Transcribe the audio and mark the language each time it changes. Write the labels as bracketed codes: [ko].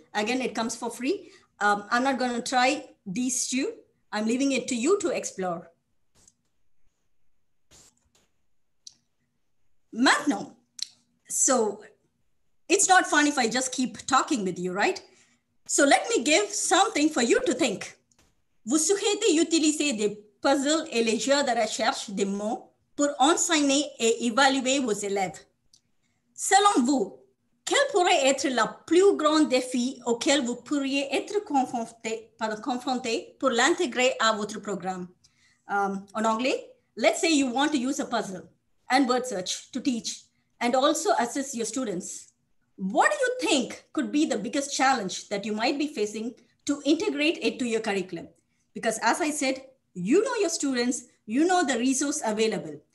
[en] Again, it comes for free. I'm not going to try these 2. I'm leaving it to you to explore. Madnom. So it's not fun if I just keep talking with you, right? So let me give something for you to think. [fr] Vous souhaitez utiliser des puzzles et les jeux de recherche des mots pour enseigner et évaluer vos élèves. Selon vous, quel pourrait être le plus grand défi auquel vous pourriez être confronté pour l'intégrer à votre programme? En anglais, [en] let's say you want to use a puzzle and word search to teach and also assist your students. What do you think could be the biggest challenge that you might be facing to integrate it to your curriculum? Because as I said, you know your students, you know the resource available.